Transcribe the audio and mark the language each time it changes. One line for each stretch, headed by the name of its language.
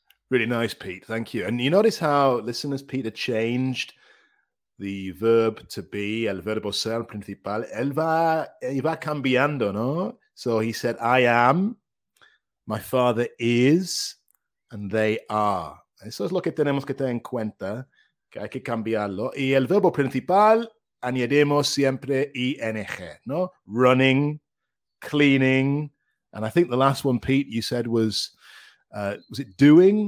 English: Really nice, Pete. Thank you. And you notice how, listeners, Peter changed the verb to be,
Spanish: el verbo ser principal. Él va cambiando, ¿no?
English: So he said, I am, my father is, and they are.
Spanish: Eso es lo que tenemos que tener en cuenta, que hay que cambiarlo. Y el verbo principal, añadimos siempre ing, no?
English: Running, cleaning, and I think the last one, Pete, you said was it doing?